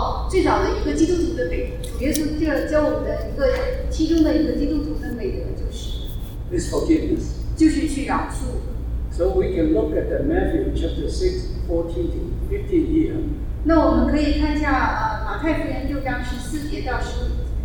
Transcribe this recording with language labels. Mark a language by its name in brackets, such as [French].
[Chinese] 最早的一个基督徒的美德，主耶稣教我们的一个其中的一个基督徒的美德就是。 [English] Is forgiveness. [Chinese] 就是去饶恕。 [English] So we can look at the Matthew chapter 6:14-15 here. [Chinese] 那我们可以看一下马太福音六章十四节到十五。